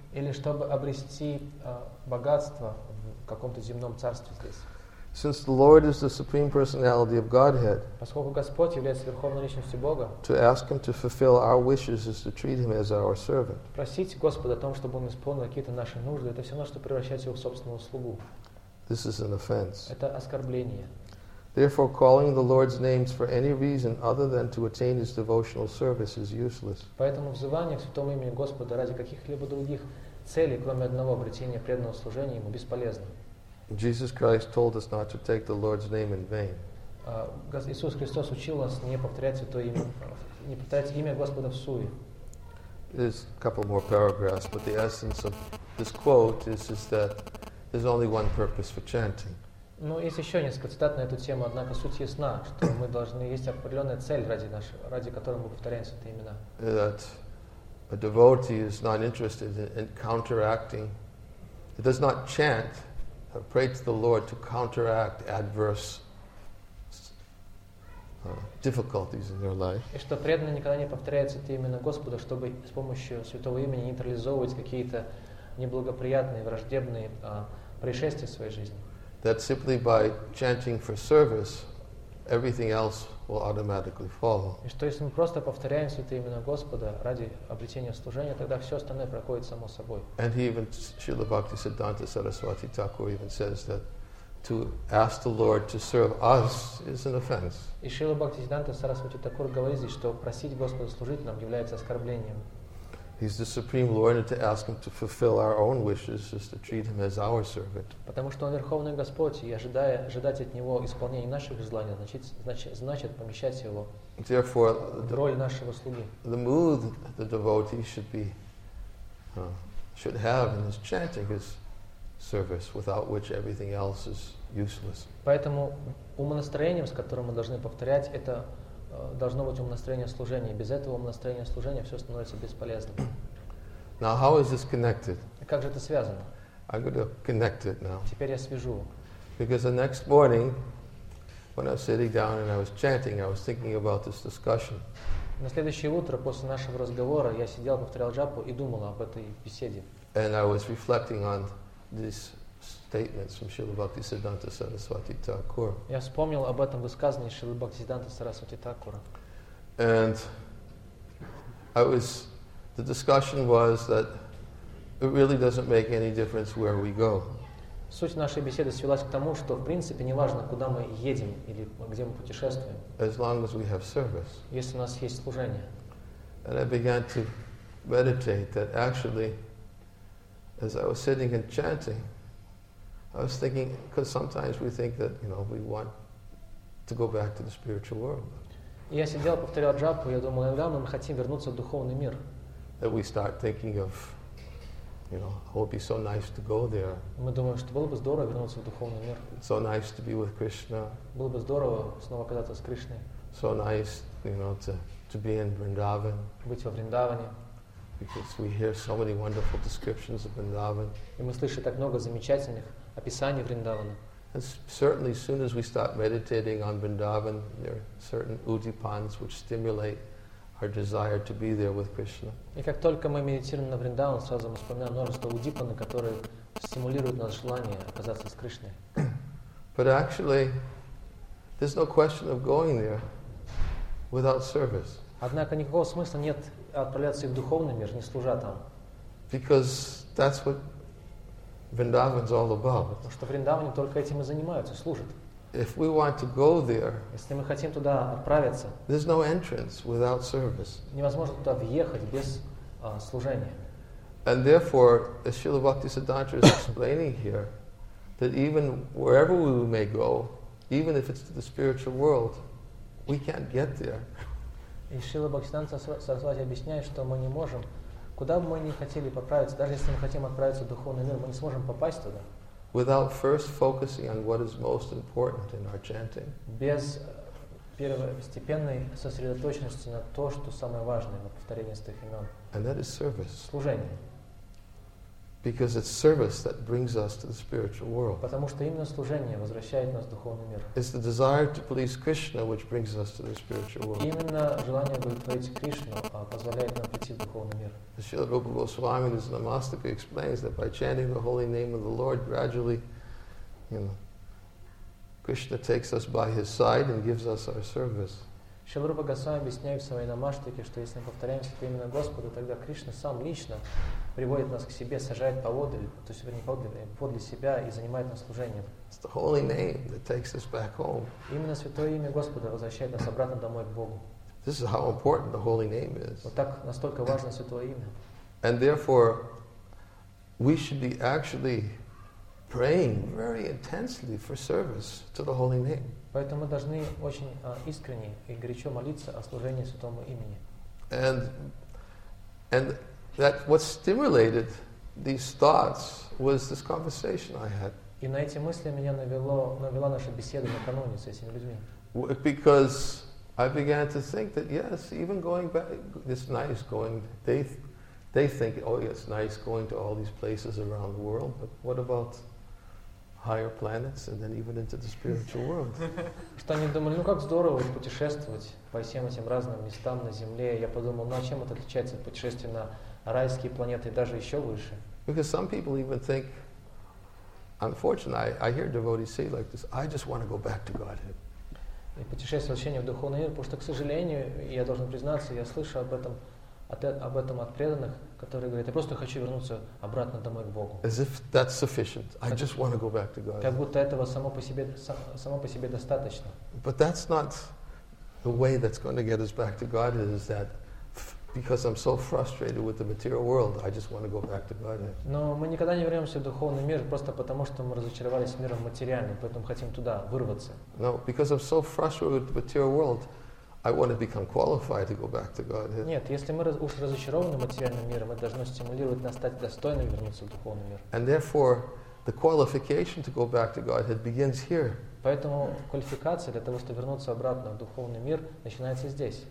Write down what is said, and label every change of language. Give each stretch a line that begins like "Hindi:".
Russian: Или чтобы обрести богатство в каком-то земном царстве здесь.
English: Since the Lord is the supreme personality of Godhead.
Russian: Поскольку Господь является верховной личностью Бога.
English: To ask Him to fulfill our wishes is to treat Him as our servant.
Russian: Просить Господа о том, чтобы Он исполнил какие-то наши нужды, это все равно, что превращать Его в собственного слугу.
English: This is an offense.
Russian: Это оскорбление.
English: Therefore, calling the Lord's names for any reason other than to attain His devotional service is useless.
Russian: Поэтому взывание к святому имени Господа ради каких-либо других целей, кроме одного обретения преданного служения Ему, бесполезно.
English: Jesus Christ told us not to take the Lord's name in vain.
Russian: Иисус Христос учил нас не повторять святое имя, не повторять имя Господа в суе.
English: There's a couple more paragraphs, but the essence of this quote is that there's only one purpose for chanting.
Russian: Ну, есть еще несколько цитат на эту тему, однако суть ясна, что мы должны есть определенная цель ради нашего, ради которой мы повторяем святые имена.
English: That a devotee is not interested in counteracting. He does not chant. Pray to the Lord to counteract adverse difficulties in your life.
Russian: И что преданный никогда не повторяет святые имена Господа, чтобы с помощью святого имени нейтрализовывать какие-то неблагоприятные, враждебные происшествия в своей жизни.
English: That simply by chanting for service, everything else will automatically follow.
Russian: И что если мы просто повторяем святые имена Господа ради обретения служения, тогда все остальное проходит само собой.
English: And even Srila Bhaktisiddhanta Saraswati Thakur even says that to ask the Lord to serve us is an offense.
Russian: И Шрила Бхактисиддханта Сарасвати Такур говорит здесь, что просить Господа служить нам является оскорблением.
English: He's the supreme Lord, and to ask Him to fulfill our own wishes is to treat Him as our servant.
Russian: Потому что Он верховный Господь, и ожидать от Него исполнения наших желаний значит помещать Его
English: Therefore,
Russian: в роль нашего слуги.
English: The mood the devotee should be should have in his chanting is service, without which everything else is useless.
Russian: Поэтому умонастроением, с которым мы должны повторять, это должно быть умонастроение служения. Без этого умонастроения служения все становится бесполезным.
English: Now, how is this connected?
Russian: Как же это связано?
English: I'm going to connect it now.
Russian: Теперь я свяжу.
English: Because the next morning, when I was sitting down and I was chanting, I was thinking about this discussion.
Russian: На следующее утро после нашего разговора я сидел, повторял джапу и думал об этой беседе.
English: And I was reflecting on these statements from Srila Bhaktisiddhanta Saraswati Thakur.
Russian: Я вспомнил об этом высказывании Шрилы Бхактисиддханты Сарасвати Такура.
English: And I was, the discussion was that it really doesn't make any difference where we go.
Russian: Суть нашей беседы свелась к тому, что в принципе не важно, куда мы едем или где мы путешествуем.
English: As long as we have service.
Russian: Если у нас есть служение.
English: And I began to meditate that actually, as I was sitting and chanting, I was thinking, because sometimes we think that, you know, we want to go back to the spiritual world.
Russian: Я сидел, повторял джапу, я думал, иногда мы хотим вернуться в духовный мир.
English: That we start thinking of, you know, it would be so nice to go there.
Russian: Мы думаем, что было бы здорово вернуться в духовный мир.
English: So nice to be with Krishna.
Russian: Было бы здорово снова оказаться с Кришной.
English: So nice, you know, to be in Vrindavan.
Russian: Быть во Вриндаване.
English: Because we hear so many wonderful descriptions of Vrindavan.
Russian: И мы слышим так много замечательных описание Вриндавана.
English: And certainly, as soon as we start meditating on Vrindavan, there are certain utipans which stimulate our desire to be there with Krishna.
Russian: И как только мы медитируем на Вриндаван, сразу мы вспоминаем множество утипаны, которые стимулируют наше желание оказаться с Кришной.
English: But actually, there's no question of going there without service.
Russian: Однако никакого смысла нет отправляться и в духовный мир, не служа там.
English: Because that's what Vrindavan's all about.
Russian: Потому что Вриндаване только этим и занимаются, служат.
English: If we want to go there,
Russian: если мы хотим туда отправиться,
English: there's no entrance without service.
Russian: Невозможно туда въехать без служения.
English: And therefore, as Śrīla Bhaktisiddhānta is explaining here, that even wherever we may go, even if it's to the spiritual world, we can't get there.
Russian: И Шрила Бхактисиддханта Сарасвати объясняет, что мы не можем, куда бы мы ни хотели поправиться, даже если мы хотим отправиться в духовный мир, мы не сможем попасть туда.
English: Without first focusing on what is most important in our chanting.
Russian: Без первостепенной сосредоточенности на то, что самое важное на повторении стих имен.
English: And that is service.
Russian: Служение.
English: Because it's service that brings us to the spiritual world.
Russian: Потому что именно служение возвращает нас в духовный мир.
English: It's the desire to please Krishna which brings us to the spiritual world.
Russian: Именно желание удовлетворить Кришну позволяет нам прийти в духовный мир.
English: Śrīla Rūpa Gosvāmī in his Namastaka explains that by chanting the holy name of the Lord gradually, you know, Krishna takes us by his side and gives us our service.
Russian: Śrīla Rūpa Gosvāmī объясняет в своей Намаштике, что если мы повторяем святое имя Господа, тогда Кришна сам лично приводит нас к себе, сажает поводы, то есть вернее поводы подле себя и занимает нас служением.
English: It's the holy name that takes us back home.
Russian: Именно святое имя Господа возвращает нас обратно домой к Богу.
English: This is how important the holy name is.
Russian: Вот так настолько важно святое имя.
English: And therefore, we should be actually praying very intensely for service to the holy name.
Russian: Поэтому мы должны очень искренне и горячо молиться о служении святому имени.
English: And that what stimulated these thoughts was this conversation I had.
Russian: И на эти мысли меня навела наша беседа накануне с этими людьми.
English: Because I began to think that yes, even going back, it's nice going. They think, oh, yeah, it's nice going to all these places around the world. But what about higher planets and then even into the spiritual world?
Russian: Что они думали? Ну как здорово путешествовать по всем этим разным местам на Земле. Я подумал, ну а чем это отличается от путешествия на райские планеты, даже еще выше?
English: Because some people even think, unfortunately, I hear devotees say like this: I just want to go back to Godhead.
Russian: И путешествие вообще в духовный мир, потому что, к сожалению, я должен признаться, я слышу об этом от преданных, которые говорят, я просто хочу вернуться обратно домой к Богу.
English: As if that's sufficient. I just want to go back to God.
Russian: Как будто этого само по себе достаточно.
English: But that's not the way that's going to get us back to God, is that because I'm so frustrated with the material world, I just want to go back to God.
Russian: Но мы никогда не вернемся в духовный мир просто потому, что мы разочаровались в мире материальном, поэтому хотим туда вырваться.
English: No, because I'm so frustrated with the material world, I want to become qualified to go back to God.
Russian: Нет, если мы уж разочарованы материальным миром, это должно стимулировать нас стать достойным вернуться в духовный мир.
English: And therefore, the qualification to go back to God begins here.
Russian: Поэтому квалификация для того, чтобы вернуться обратно в духовный мир, начинается здесь.